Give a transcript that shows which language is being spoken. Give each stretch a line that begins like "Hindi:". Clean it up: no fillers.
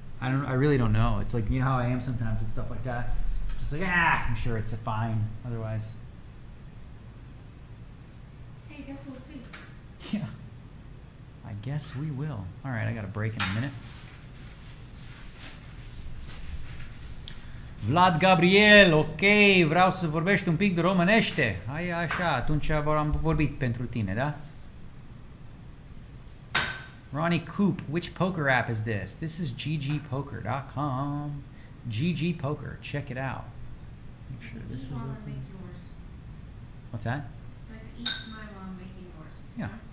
English: I really don't know. It's like, you know how I am sometimes with stuff like that? I'm just like, I'm sure it's a fine otherwise. Hey, I guess we'll see. Yeah. I guess we will. All right, I got a break in a minute.
Romanian: Vlad Gabriel, ok, vreau să vorbești un pic de românește. Hai așa, atunci am vorbit pentru tine, da?
English: Ronnie Coop, which poker app is this? This is ggpoker.com. GG Poker, check it out. Make sure this is open. Eat mama, make yours. What's that? It's like eat my mom, make yours. Yeah.